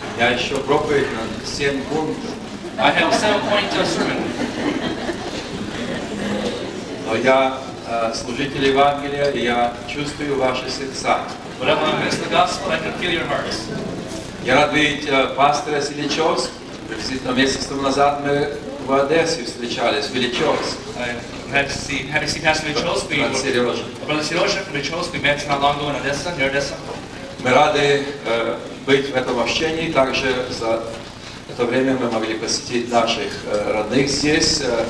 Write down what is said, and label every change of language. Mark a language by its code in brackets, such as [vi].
[ru] Я еще проповедь на 7 пунктов. [en] I have 7 points of sermon. [ru] Но я служитель Евангелия, и я чувствую ваши сердца. [en] But I'm a minister of gospel, I can feel your hearts. [ru] Я рад видеть пастора Селичевского. Приблизительно месяц тому назад мы в Одессе встречались, [en] Had to see Pastor Lichowski. Brother Serozha, we met not long ago in Odessa, near Odessa. [ru] Мы рады быть в этом общении, также за это время мы могли посетить наших родных здесь.